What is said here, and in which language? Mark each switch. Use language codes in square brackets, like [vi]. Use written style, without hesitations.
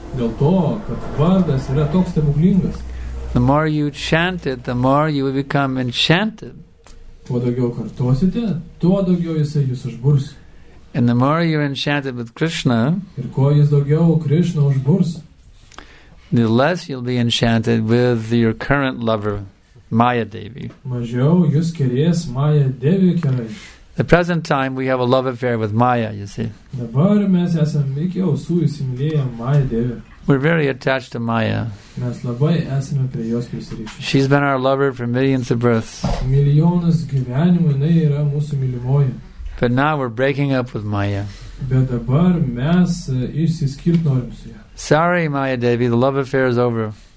[en] The more you chant it, the more you will become enchanted. And the more you're enchanted with Krishna, the less you'll be enchanted with your current lover. Maya Devi. [lt] Mažiau jūs kerės Maya Devi kerai. [en] The present time we have a love affair with Maya, you see. [lt] Dabar mes esam iki ausų įsimylėję Maya Devi. [en] We're very attached to Maya. [lt] Mes labai esame prie jos prisirišę. [en] She's been our lover for millions of births. [lt] Milijonus gyvenimų jinai yra mūsų mylimoji. [en] But now we're breaking up with Maya. [lt] Bet dabar mes išsiskirt norim su ja. [en] Sorry, Maya Devi, the love affair is over.